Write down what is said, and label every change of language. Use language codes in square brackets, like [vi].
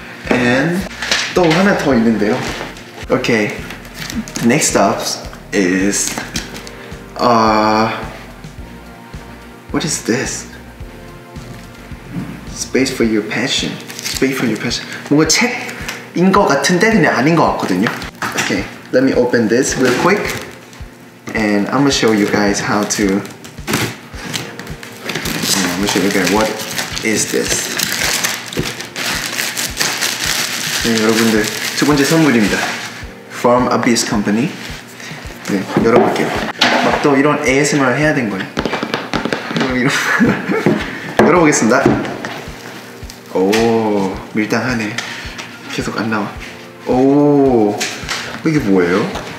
[en] and [ko] 또 하나 더 있는데요 오케이 [en] the next stop is what is this? Space for your passion. Space for your passion. [ko] 뭔가 책인 것 같은데 그냥 아닌 것 같거든요. [en] Okay, let me open this real quick, and I'm gonna show you guys how to. I'm gonna show you guys what is this. [ko] 네, 여러분들 두 번째 선물입니다. From a Beast Company. 네, 열어볼게요. 막 또 이런 ASMR 해야 된 거예요. 그럼 이런. 열어보겠습니다. 오 밀당하네 계속 안 나와 오 이게 뭐예요?